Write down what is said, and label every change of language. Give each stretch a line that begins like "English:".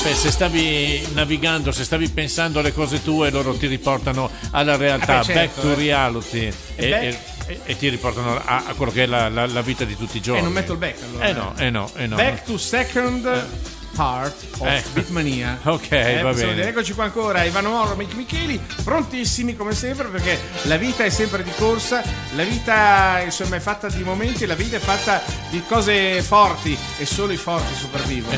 Italian: stavi navigando, se stavi pensando alle cose tue, loro ti riportano alla realtà. beh, certo,
English: back to reality
Italian: e ti riportano a quello che è la vita di tutti i giorni. E non metto il back allora. No.
English: Back to second part of Beatmania.
Italian: Ok, va bene. Eccoci qua ancora, Ivano Moro, Michi Micheli, prontissimi come sempre, perché la vita è sempre di corsa, la vita insomma è fatta di momenti, la vita è fatta di cose forti e solo i forti sopravvivono.